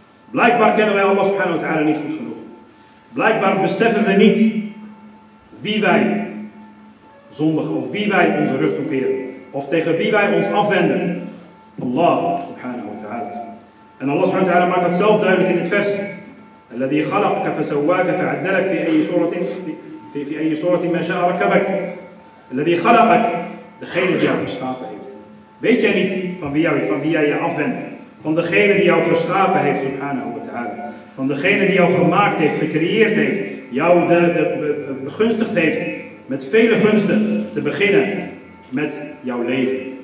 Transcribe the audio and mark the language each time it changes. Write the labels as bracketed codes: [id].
[nl] Blijkbaar kennen wij Allah subhanahu wa ta'ala niet goed genoeg. Blijkbaar beseffen we niet wie wij zondigen of wie wij onze rug toekeren. Of tegen wie wij ons afwenden. Allah subhanahu wa ta'ala. En Allah subhanahu wa ta'ala maakt dat zelf duidelijk in het vers. [ar] الَّذِي خَلَقْكَ فَسَوَّاكَ فَعَدَّلَكَ فِي أَيِّ صُورَةٍ [nl] degene die jou geschapen heeft. Weet jij niet van wie jij je afwendt? Van degene die jou geschapen heeft, subhanahu wa ta'ala. Van degene die jou gemaakt heeft, gecreëerd heeft, jou begunstigd heeft met vele gunsten, te beginnen met jouw leven.